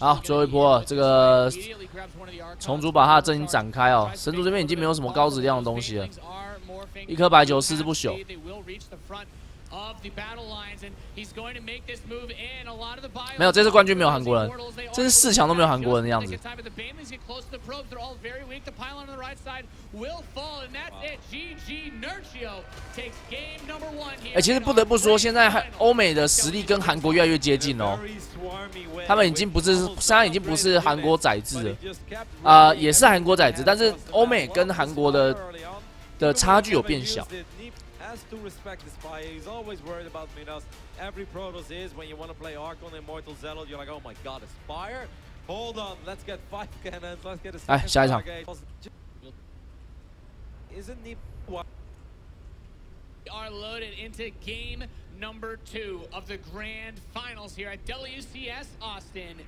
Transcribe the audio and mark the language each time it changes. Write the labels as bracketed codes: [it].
[zh] 好，最后一波，这个虫族把他的阵营展开哦。神族这边已经没有什么高质量的东西了。一颗白球，四只不朽。 [en] Of the battle lines, and he's going to make this move in a lot of the bio. [zh] 没有，这次冠军没有韩国人，这次四强都没有韩国人的样子。 [en] The banelings get close to the probes; they're all very weak. The pylon on the right side will fall, and that's it. GG Nurcio takes game number one here. [zh] 哎，其实不得不说，现在欧美的实力跟韩国越来越接近哦。他们已经不是，现在已经不是韩国宰制了，也是韩国宰制，但是欧美跟韩国的差距有变小。 [en] To respect the spire, he's always worried about Minos. Every Protoss is when you want to play Archon Immortal Zealot, you're like, oh my god, a spire? Hold on, let's get five cannons, let's get a second. [zh] 哎，下一场。 [en] Isn't he? We are loaded into game number two of the grand finals here at WCS Austin.